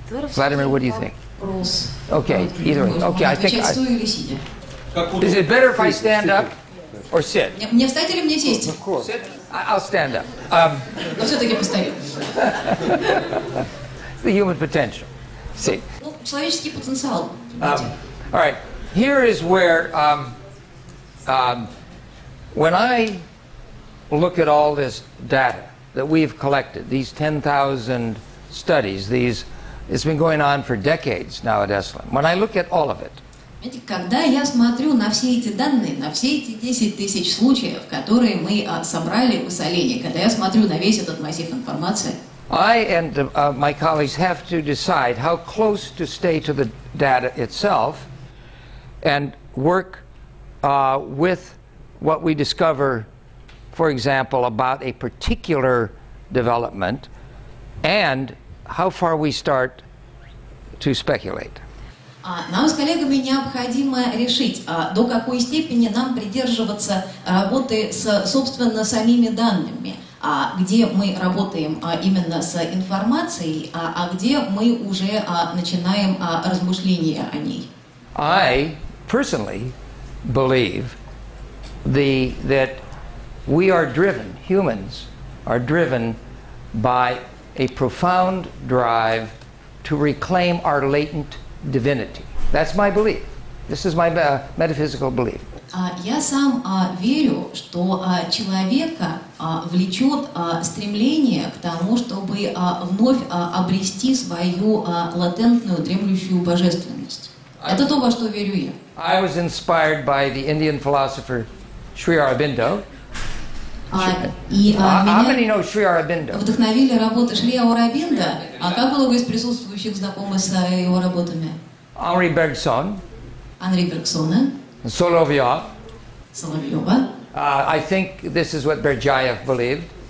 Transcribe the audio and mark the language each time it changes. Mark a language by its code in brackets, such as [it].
[en] Vladimir, what do you think? Okay, either way. Okay, I think I... Is it better if I stand up or sit? [ru] Мне встать или мне сесть? [en] Of course. I'll stand up. [ru] Но все-таки постою. [en] The human potential. See. [ru] Человеческий потенциал. [en] All right. Here is where when I look at all this data that we've collected, these 10,000 studies, it's been going on for decades now at Esalen. When I look at all of it, [ru] когда я смотрю на все эти данные, на все эти 10 тысяч случаев, которые мы собрали в Солене, когда я смотрю на весь этот массив информации, [en] I and my colleagues have to decide how close to stay to the data itself and work with what we discover, for example, about a particular development and how far we start to speculate. [ru] Нам с коллегами необходимо решить, до какой степени нам придерживаться работы с, собственно, самими данными, где мы работаем именно с информацией, а где мы уже начинаем размышления о ней. [en] I personally believe that we are driven, humans are driven by a profound drive to reclaim our latent divinity. That's my belief. This is my metaphysical belief. [ru] Я сам верю, что человека влечет стремление к тому, чтобы вновь обрести свою латентную дремлющую божественность. Это то, во что верю я. [en] I was inspired by the Indian philosopher Sri Aurobindo. How many know Sri Aurobindo? [ru] Вдохновили работы Шри Аурабинда. А как много из присутствующих знакомы с его работами? Анри Бергсон. Анри Бергсона. Соловьёв. Соловьёва. [en] I think this is what Berdyaev believed.